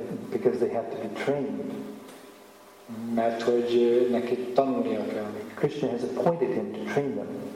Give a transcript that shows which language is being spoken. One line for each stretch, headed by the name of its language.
English: Because they have to be trained.
Hungarian: Mert hogy neki tanulnia kell.
English: Krishna has appointed him to train them.